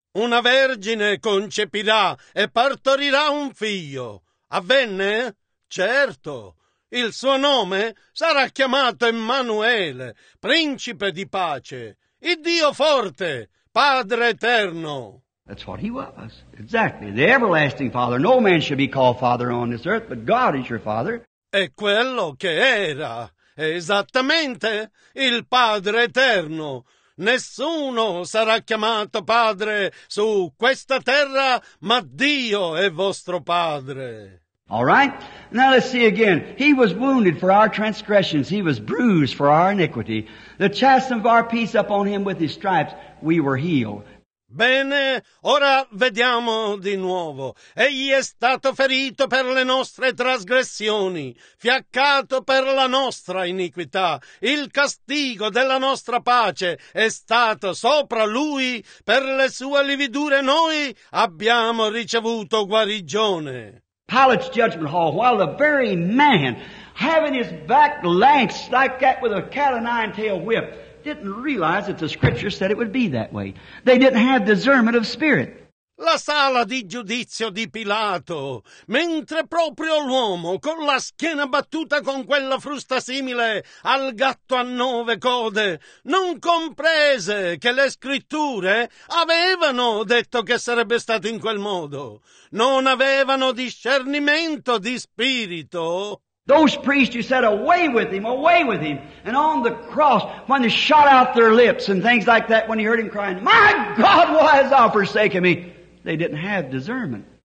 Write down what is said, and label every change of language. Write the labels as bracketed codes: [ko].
[it] Una vergine concepirà e partorirà un figlio. Avvenne? Certo. Il suo nome sarà chiamato Emmanuele, Principe di Pace, il Dio Forte, Padre Eterno. [en] That's what he was. Exactly. The Everlasting Father. No man should be called Father on this earth, but God is your Father. [it] È quello che era. Esattamente. Il Padre Eterno. Nessuno sarà chiamato padre su questa terra, ma Dio è vostro padre. [en] All right. Now let's see again. He was wounded for our transgressions. He was bruised for our iniquity. The chastisement of our peace upon him, with his stripes we were healed. [it] Bene, ora vediamo di nuovo. Egli è stato ferito per le nostre trasgressioni, fiaccato per la nostra iniquità. Il castigo della nostra pace è stato sopra lui, per le sue lividure noi abbiamo ricevuto guarigione. [en] Pilate's judgment hall, while the very man, having his back lashed like that with a cat of nine tail whip, didn't realize that the scripture said it would be that way. They didn't have discernment of spirit. [it] La sala di giudizio di Pilato, mentre proprio l'uomo con la schiena battuta con quella frusta simile al gatto a nove code, non comprese che le scritture avevano detto che sarebbe stato in quel modo. Non avevano discernimento di spirito. [en] Those priests who said, away with him, away with him. And on the cross, when they shot out their lips and things like that, when he heard him crying, my God, why has thou forsaken me? They didn't have discernment.